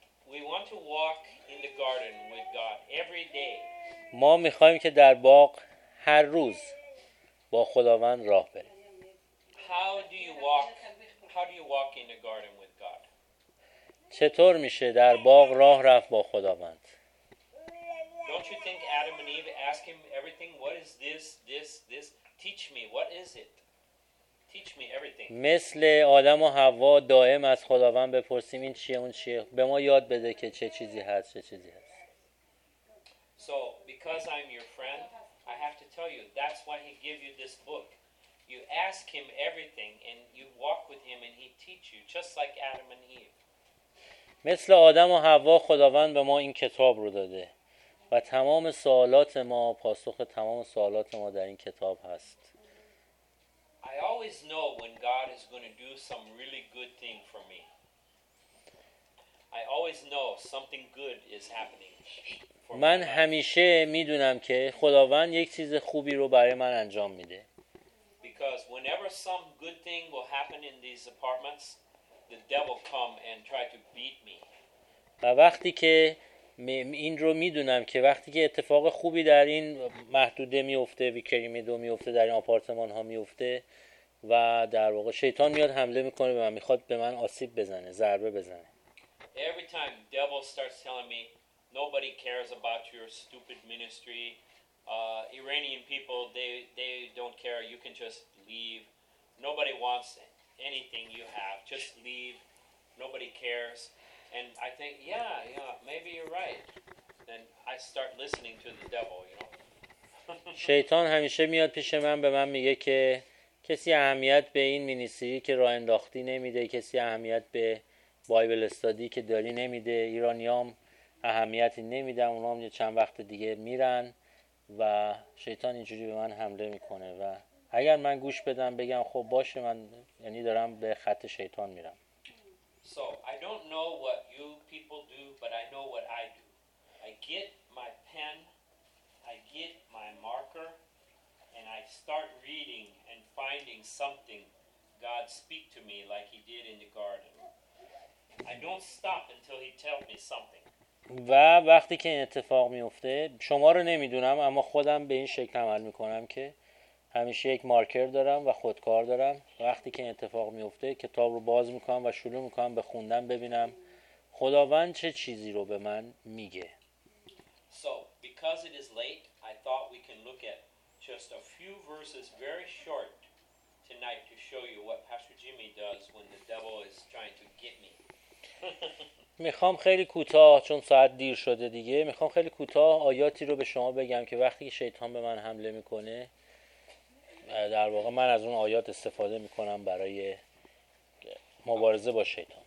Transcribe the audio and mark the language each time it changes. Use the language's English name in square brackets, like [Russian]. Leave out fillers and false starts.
[English] We want to walk in the garden with God every day. [Persian] ما میخوایم که در باغ هر روز با خداوند راه بریم. [English] How do you walk in the garden with God? [Persian] چطور میشه در باغ راه رفت با خداوند؟ [English] Don't you think Adam and Eve ask him everything? What is this? This? Teach me. What is it? Teach me everything. [Persian] مثل آدم و حوا دائم از خداوند بپرسیم این چیه اون چیه؟ به ما یاد بده که چه چیزی هست. [English] So because I'm your friend, I have to tell you. That's why he gave you this book. You ask him everything, and you walk with him, and he teach you, just like Adam and Eve. [Persian] مثل آدم و حوا خداوند به ما این کتاب رو داده و تمام سوالات ما پاسخ تمام سوالات ما در این کتاب هست. [English] I always know when God is going to do some really good thing for me. I always know something good is happening. [Persian] من همیشه میدونم که خداوند یک چیز خوبی رو برای من انجام میده. [English] Because whenever some good thing will happen in these apartments, the devil come and try to beat me. [Persian] و وقتی که این رو میدونم که وقتی که اتفاق خوبی در این محدوده میفته، ویکریمیدو میفته، در این آپارتمان ها میفته و در واقع شیطان میاد حمله میکنه و میخواد به من آسیب بزنه، ضربه بزنه. [English] Every time the devil starts telling me nobody cares about your stupid ministry. Iranian people they don't care. You can just leave. Nobody wants it. Anything you have, just leave. Nobody cares. And I think, yeah, maybe you're right. Then I start listening to the devil, you know. [Persian] شیطان همیشه میاد پیش من به من میگه که کسی اهمیت به این مینیستری که راه انداختی نمیده، کسی اهمیت به بایبل استادی که داری نمیده، ایرانیام اهمیتی نمیدن، اونا هم یه چند وقت دیگه میرن و شیطان اینجوری به من حمله میکنه و اگر من گوش بدم بگم خب باشه، من یعنی دارم به خط شیطان میرم. [English] So I don't know what you people do, but I know what I do. I get my pen, I get my marker, and I start reading and finding something God speak to me like he did in the garden. I don't stop until he tells me something. [Persian] و وقتی که این اتفاق میفته، شما رو نمیدونم اما خودم به این شکل عمل میکنم که همیشه یک مارکر دارم و خودکار دارم. وقتی که این اتفاق میفته کتاب رو باز میکنم و شروع میکنم به خوندن ببینم خداوند چه چیزی رو به من میگه. [English] So because it is late, I thought we can look at just a few verses very short tonight to show you what Pastor Jimmy does when the devil is trying to get me. [Persian] میخوام خیلی کوتاه، چون ساعت دیر شده دیگه، میخوام خیلی کوتاه آیاتی رو به شما بگم که وقتی که شیطان به من حمله میکنه، در واقع من از اون آیات استفاده میکنم برای مبارزه با شیطان.